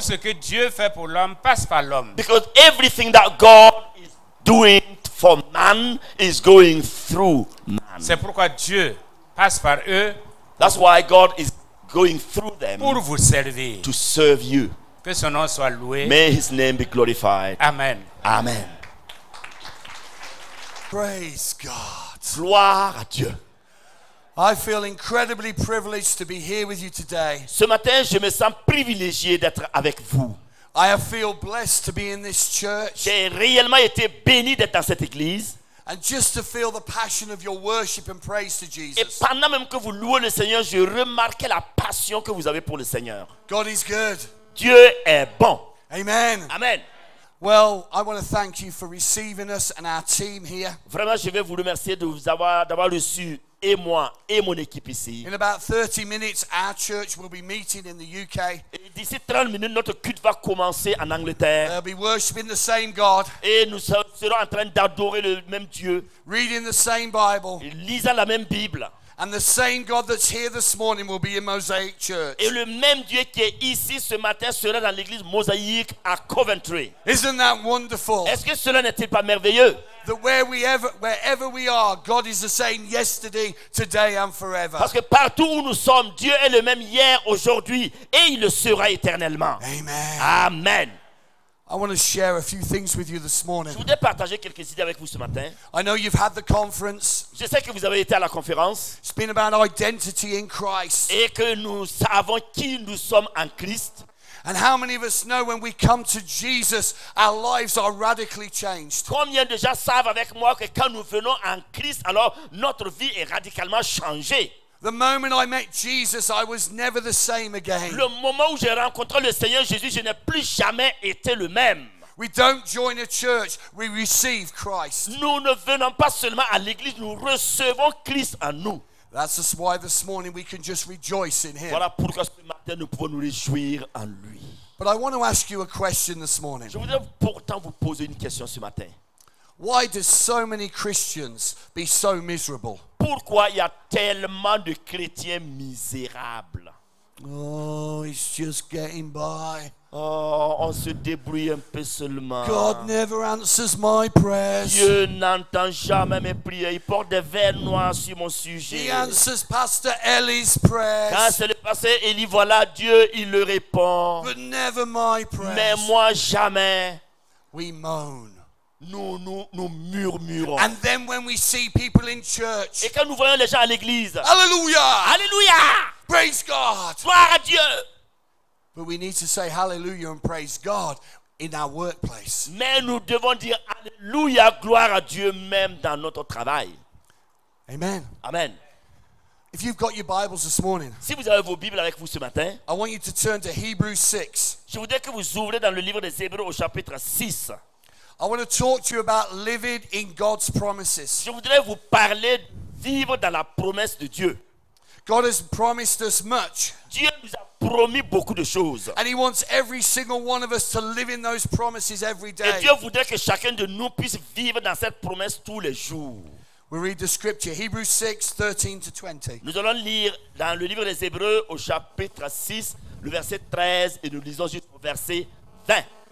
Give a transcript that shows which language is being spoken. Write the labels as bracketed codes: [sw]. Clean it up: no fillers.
[fr] Tout ce que Dieu fait pour l'homme passe par l'homme. [en] Because everything that God is doing for man is going through man. [fr] C'est pourquoi Dieu passe par eux. [en] That's why God is going through them. [fr] Pour vous servir. [en] To serve you. [fr] Que son nom soit loué. [en] May his name be glorified. [fr] Amen. [en] Amen. Praise God. [fr] Gloire à Dieu. [en] I feel incredibly privileged to be here with you today. [fr] Ce matin, je me sens privilégié d'être avec vous. [en] I feel blessed to be in this church. [fr] J'ai réellement été béni d'être dans cette église. [en] And just to feel the passion of your worship and praise to Jesus. [fr] Et pendant même que vous louez le Seigneur, je remarquais la passion que vous avez pour le Seigneur. [en] God is good. [fr] Dieu est bon. [en] Amen. [fr] Amen. [en] Well, I want to thank you for receiving us and our team here. [fr] Vraiment, je vais vous remercier de vous avoir d'avoir reçu et moi et mon équipe ici. [en] In about 30 minutes, our church will be meeting in the UK. [fr] Et d'ici 30 minutes, notre culte va commencer en Angleterre. [en] They'll be worshiping the same God. [fr] Et nous serons en train d'adorer le même Dieu. [en] Reading the same Bible. [fr] Et lisant la même Bible. [en] And the same God that's here this morning will be in Mosaic Church. [fr] Et le même Dieu qui est ici ce matin sera dans l'église Mosaïque à Coventry. [en] Isn't that wonderful? [fr] Est-ce que cela n'est-il pas merveilleux? [en] That wherever we are, God is the same yesterday, today, and forever. [fr] Parce que partout où nous sommes, Dieu est le même hier, aujourd'hui, et il le sera éternellement. [en] Amen. [fr] Amen. [en] I want to share a few things with you this morning. [fr] Je voudrais partager quelques idées avec vous ce matin. [en] I know you've had the conference. [fr] Je sais que vous avez été à la conférence. [en] It's been about identity in Christ. [fr] Et que nous savons qui nous sommes en Christ. [en] And how many of us know when we come to Jesus, our lives are radically changed? [fr] Combien de gens savent avec moi que quand nous venons en Christ, alors notre vie est radicalement changée? [en] The moment I met Jesus, I was never the same again. [fr] Le moment où j'ai rencontré le Seigneur Jésus, je n'ai plus jamais été le même. [en] We don't join a church, we receive Christ. [fr] Nous ne venons pas seulement à l'église, nous recevons Christ en nous. [en] That's just why this morning we can just rejoice in him. [fr] Voilà pourquoi ce matin nous pouvons nous réjouir en lui. [en] But I want to ask you a question this morning. [fr] Je voudrais pourtant vous poser une question ce matin. [en] Why do so many Christians be so miserable? [fr] Pourquoi il y a tellement de chrétiens misérables? [en] Oh, it's just getting by. [fr] Oh, on se débrouille un peu seulement. [en] God never answers my prayers. [fr] Dieu n'entend jamais mes prières. Il porte des verres noirs sur mon sujet. [en] He answers Pastor Ellie's prayers. [fr] Quand c'est le pasteur Ellie, voilà, Dieu, il le répond. [en] But never my prayers. [fr] Mais moi, jamais. [en] We moan. [fr] Nous murmurons. [en] And then when we see people in church. [fr] Et quand nous voyons les gens à l'église. [en] Hallelujah. [fr] Hallelujah. [en] Praise God. [fr] Gloire à Dieu. [en] But we need to say hallelujah and praise God in our workplace. [fr] Mais nous devons dire alléluia, gloire à Dieu même dans notre travail. [en] Amen. [fr] Amen. [en] If you've got your Bibles this morning. [fr] Si vous avez vos Bibles avec vous ce matin. [en] I want you to turn to Hebrews 6. [fr] Je voudrais que vous ouvrez dans le livre des Hébreux au chapitre 6. [en] I want to talk to you about living in God's promises. [fr] Je voudrais vous parler de vivre dans la promesse de Dieu. [en] God has promised us much. [fr] Dieu nous a promis beaucoup de choses. [en] And he wants every single one of us to live in those promises every day. [fr] Et Dieu voudrait que chacun de nous puisse vivre dans cette promesse tous les jours. [en] We read the scripture, Hebrews 6, 13 to 20. [fr] Nous allons lire dans le livre des Hébreux au chapitre 6, le verset 13, et nous lisons juste au verset 20.